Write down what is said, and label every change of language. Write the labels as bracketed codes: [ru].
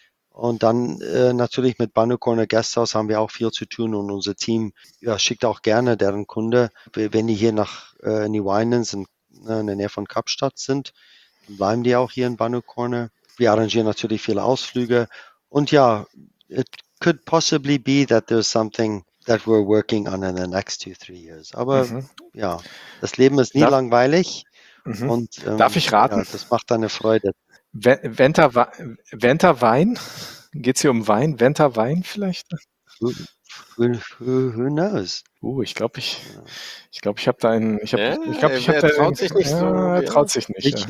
[de] Und dann natürlich mit Banu Corner Guesthouse haben wir auch viel zu tun und unser Team schickt auch gerne deren Kunde, wenn die hier nach New Orleans in der Nähe von Kapstadt sind, dann bleiben die auch hier in Banu Corner. Wir arrangieren natürlich viele Ausflüge. Und ja, [en] it could possibly be that there's something that we're working on in the next 2, 3 years. [de] Aber ja, das Leben ist nie langweilig. Mhm. Und, darf ich raten? Ja, das macht eine Freude. Venterwein? Geht es hier um Wein? Venterwein vielleicht? [en] Who knows? [de] Ich glaube, er traut sich nicht.